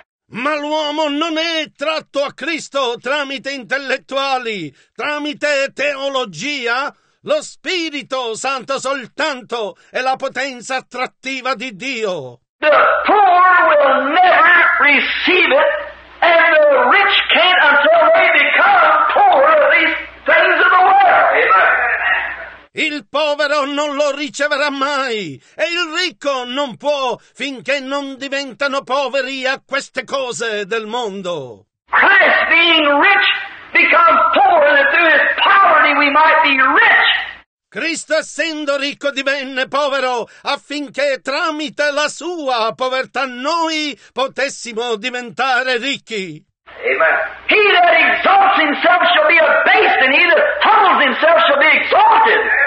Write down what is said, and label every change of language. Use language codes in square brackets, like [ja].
[it] Ma l'uomo non è tratto a Cristo tramite intellettuali, tramite teologia. Lo Spirito Santo soltanto è la potenza attrattiva di Dio. [en] The poor will never receive it, and the rich can't until they become poor of these things of the world. Amen. [it] Il povero non lo riceverà mai, e il ricco non può finché non diventano poveri a queste cose del mondo. [en] Christ being rich becomes poor that through his poverty we might be rich. [it] Cristo essendo ricco divenne povero affinché tramite la sua povertà noi potessimo diventare ricchi. [en] Amen. He that exalts himself shall be abased, and he that humbles himself shall be exalted.